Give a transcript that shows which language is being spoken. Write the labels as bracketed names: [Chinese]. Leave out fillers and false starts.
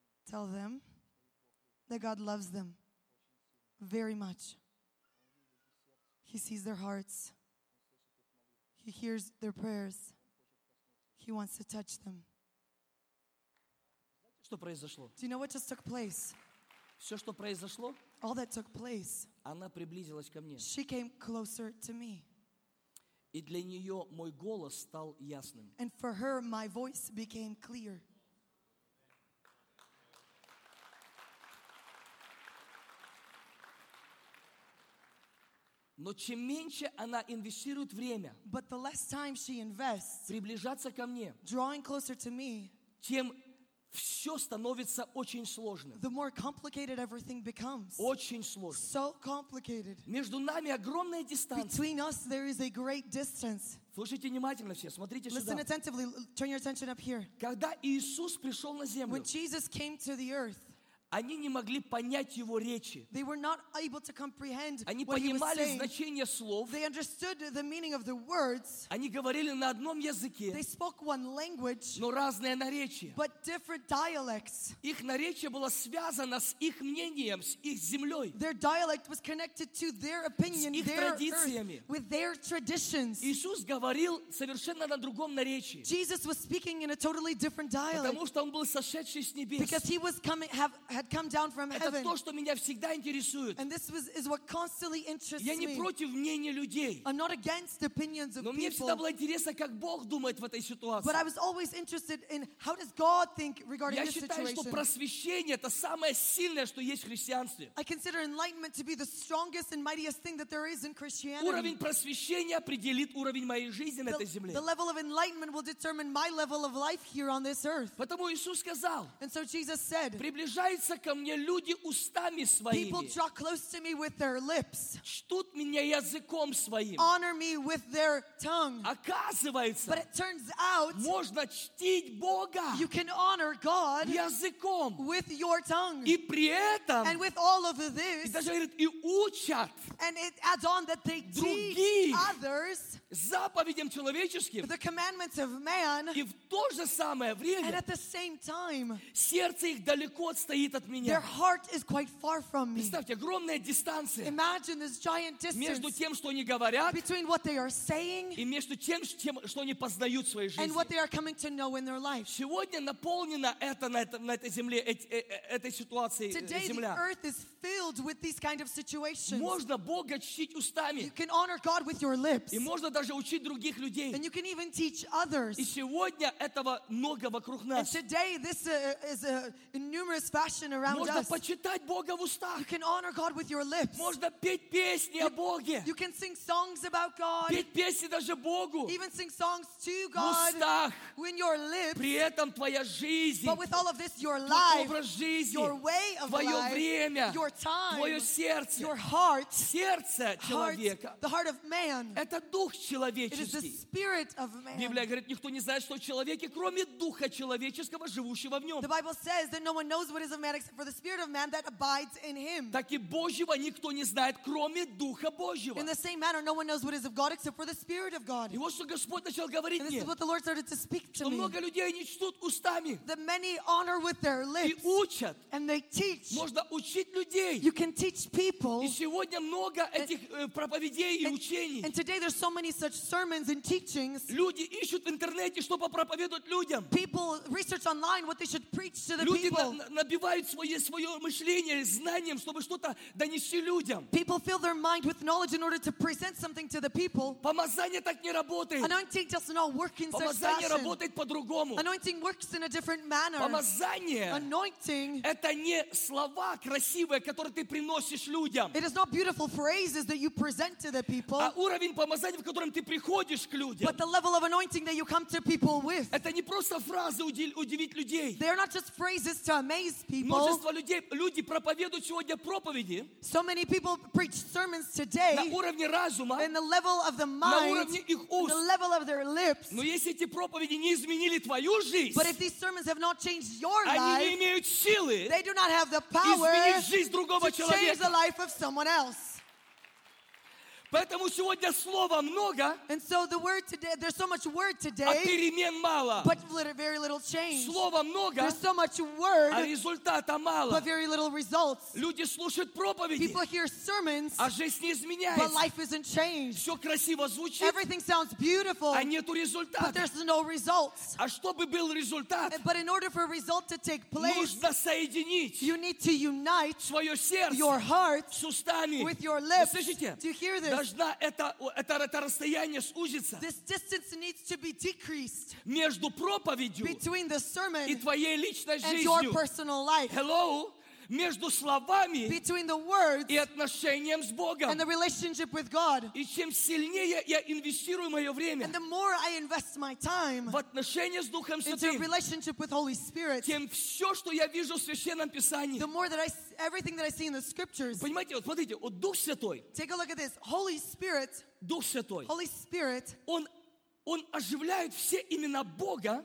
[English] Tell them that God loves them very much. He sees their hearts. He hears their prayers. He wants to touch them. [Russian] Что произошло? [English] Do you know what just took place? [Russian] Все, что произошло? [English] All that took place. [Russian] Она приблизилась ко мне. [English] She came closer to me. [Russian] И для нее мой голос стал ясным. [English] And for her, my voice became clear. [Russian] Но чем меньше она инвестирует время, [English] but the less time she invests, [Russian] приближаться ко мне, [English] drawing closer to me, [Russian] тем все становится очень сложным. [English] The more complicated everything becomes. [Russian] Очень сложно. [English] So complicated. [Russian] Между нами огромная дистанция. [English] Between us there is a great distance. [Russian] Слушайте внимательно все, смотрите [English] Listen Listen attentively, turn your attention up here. [Russian] Когда Иисус пришел на землю, [English] when Jesus came to the earth, [Russian] они не могли понять его речи. [English] They were not able to comprehend [Russian] они понимали значение слов. [English] They understood the meaning of the words. [Russian] Они говорили на одном языке. [English] They spoke one language, [Russian] но разные наречия. [English] But different dialects. [Russian] Их наречие было связано с их мнением, с их землей. [English] Their dialect was connected to their opinion, [Russian] с их [English] their [Russian] традициями. [English] Earth, with their traditions. [Russian] Иисус говорил совершенно на другом наречии. [English] Jesus was speaking in a totally different dialect. [Russian] Потому что он был сошедший с небес. [English] Because he was coming, have had come down from heaven. [Russian] Это то, что меня всегда интересует. [English] And this is what constantly interests me. [Russian] Я не против мнения людей. [English] I'm not against opinions of people. [Russian] Но мне всегда было интересно, как Бог думает в этой ситуации. [English] But I was always interested in how does God think regarding this situation. [Russian] Я считаю, что просвещение это самое сильное, что есть в христианстве. [English] I consider enlightenment to be the strongest and mightiest thing that there is in Christianity. [Russian] Уровень просвещения определит уровень моей жизни на этой земле. [English] The level of enlightenment will determine my level of life here on this earth. [Russian] Потому Иисус сказал. [English] And so Jesus said. [Russian] Приближаются ко мне люди устами своими. [English] People draw close to me with their lips. [Russian] Чтут меня языком своим. [English] Honor me with their tongue. [Russian] Оказывается, [English] but it turns out, [Russian] можно чтить Бога. [English] You can honor God [Russian] языком. [English] With your tongue. [Russian] И при этом, [English] and with all of this, [Russian] и даже говорит, и учат. [English] And it adds on that they [Russian] других. [English] Teach others. [Russian] Заповедям человеческим. [English] The commandments of man. [Russian] И в то же самое время. [English] And at the same time. [Russian] Сердце их далеко отстоит от меня. [English] Their heart is quite far from me. [Russian] Представьте, огромная дистанция. [English] Imagine this giant distance. [Russian] Между тем, что они говорят. [English] Between what they are saying. [Russian] И между тем, что они познают в своей жизни. [English] And what they are coming to know in their life. [Russian] Сегодня наполнена это на этой земле этой ситуацией [English] Today, [Russian] земля. [English] The earth is filled with these kind of situations. [Russian] Можно Бога чтить устами. [English] You can honor God with your lips. [Russian] И можно даже учить других людей. [English] And you can even teach others. [Russian] И сегодня этого много вокруг нас. [English] And today this is a numerous fashion around [Russian] можно [English] us. [Russian] Можно почитать Бога в устах. [English] You can honor God with your lips. [Russian] Можно петь песни о Боге. [English] You can sing songs about God. [Russian] Петь песни даже Богу. [English] Even sing songs to God. [Russian] В устах. [English] In your lips. [Russian] При этом твоя жизнь. [English] But with all of this, your life. [Russian] Твой образ жизни. [English] Your way of [Russian] твое [English] life. [Russian] Время. [English] Your time. [Russian] Твое сердце. [English] Your heart. [Russian] Сердце человека. [English] Heart, the heart of man. [Russian] Это дух человеческий. [English] It is the spirit of man. [Russian] Библия говорит, никто не знает, что в человеке, кроме духа человеческого, живущего в нем. [English] The Bible says that no one knows what is of man except for the spirit of man that abides in him. [Russian] Так и Божьего никто не знает, кроме духа Божьего. [English] In the same manner, no one knows what is of God except for the spirit of God. [Russian] И вот что Господь начал говорить мне. [English] And this is what the Lord started to speak to me. [Russian] Много людей не чтут устами. [English] That many honor with their lips. [Russian] И учат. [English] And they teach. [Russian] Можно учить людей. [English] You can teach people. [Russian] И сегодня много этих проповедей и учений. [English] And today there's so many such sermons and teachings. [Russian] Люди ищут в интернете, чтобы проповедовать людям. [English] People research online what they should preach to the [Russian] люди [English] people. [Russian] Люди набивают свое мышление знанием, чтобы что-то донести людям. [English] People fill their mind with knowledge in order to present something to the people. [Russian] Помазание так не работает. [English] Anointing does not work in such fashion. [Russian] Помазание работает по-другому. [English] Anointing works in a different manner. [Russian] Помазание [English] anointing [Russian] это не слова красивые, которые ты приносишь людям. [English] It is not beautiful phrases that you present to the people. [Russian] А уровень помазания, в котором ты приходишь к людям. [English] But the level of anointing that you come to people with. [Russian] Это не просто фразы удивить людей. [English] They are not just phrases to amaze people. [Russian] Множество людей, люди проповедуют сегодня проповеди. [English] So many people preach sermons today. [Russian] На уровне разума. [English] In the level of the mind. [Russian] На уровне их уст. [English] The level of their lips. [Russian] Но если эти проповеди не изменили твою жизнь. [English] But if these sermons have not changed your life. [Russian] Они не имеют силы. [English] They do not have the power. [Russian] Изменить жизнь другого человека. [English] To change the life of someone else. [Russian] Поэтому сегодня слова много, [English] and so the word today, there's so much word today, [Russian] а перемен мало. [English] But very little change. [Russian] Слова много, [English] there's so much word, [Russian] а результата мало. [English] But very little results. [Russian] Люди слушают проповеди, [English] people hear sermons, [Russian] а жизнь не изменяется. [English] But life isn't changed. [Russian] Все красиво звучит, [English] everything sounds beautiful, [Russian] а нету результата. [English] But there's no results. [Russian] А чтобы был результат, [English] but in order for a result to take place, [Russian] нужно соединить [English] you need to unite [Russian] свое сердце [English] your heart [Russian] с устами. [English] With your lips. [Russian] Вы слышите? [English] Do you hear this? [Russian] Должна это расстояние сузиться. [English] This distance needs to be decreased [Russian] между проповедью [English] between the sermon [Russian] и твоей личной жизнью. [English] And your personal life. Hello? [Russian] Между словами [English] between the words [Russian] и отношением с Богом. [English] And the relationship with God. [Russian] И чем сильнее я инвестирую мое время [English] and the more I invest my time [Russian] в отношения с Духом Святым, [English] into a relationship with Holy Spirit, [Russian] тем все, что я вижу в Священном Писании, [English] the more that I everything that I see in the scriptures. [Russian] Понимаете, вот смотрите, вот Дух Святой. [English] Take a look at this. Holy Spirit. [Russian] Дух Святой. [English] Holy Spirit. [Russian] Он оживляет все имена Бога.